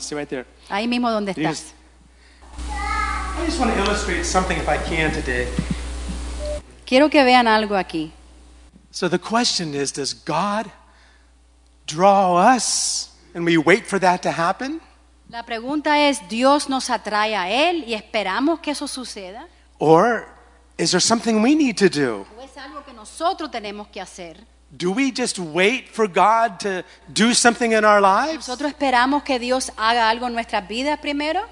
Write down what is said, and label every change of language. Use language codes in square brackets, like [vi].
[en] Stay right there. [es] Ahí mismo donde estás. [en] I just want to illustrate something if I can today. [es] Quiero que vean algo aquí. [en] So the question is, does God draw us and we wait for that to happen? [es] La pregunta es, ¿Dios nos atrae a él y esperamos que eso suceda? [en] Or is there something we need to do? [es] ¿O es algo que nosotros tenemos que hacer? [en] Do we just wait for God to do something in our lives? [es] ¿Nosotros esperamos que Dios haga algo en nuestras vidas primero?